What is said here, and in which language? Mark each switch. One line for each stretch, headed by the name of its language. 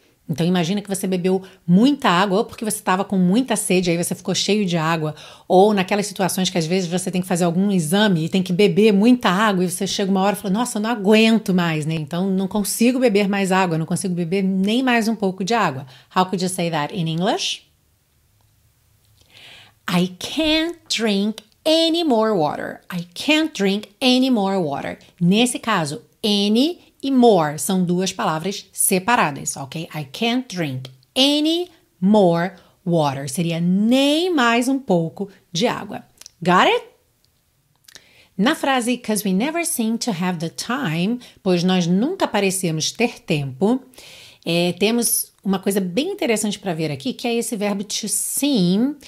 Portuguese: Então, imagina que você bebeu muita água ou porque você estava com muita sede, aí você ficou cheio de água, ou naquelas situações que às vezes você tem que fazer algum exame e tem que beber muita água e você chega uma hora e fala, nossa, eu não aguento mais, né? Então, não consigo beber mais água, não consigo beber nem mais um pouco de água.
English: How could you say that in English? I can't drink any more water. I can't drink any more water.
Portuguese: Nesse caso, any e more são duas palavras separadas, ok?
English: I can't drink any more water.
Portuguese: Seria nem mais um pouco de água.
English: Got it?
Portuguese: Na frase,
English: because we never seem to have the time,
Portuguese: pois nós nunca parecemos ter tempo, temos uma coisa bem interessante para ver aqui, que é esse verbo
English: to seem.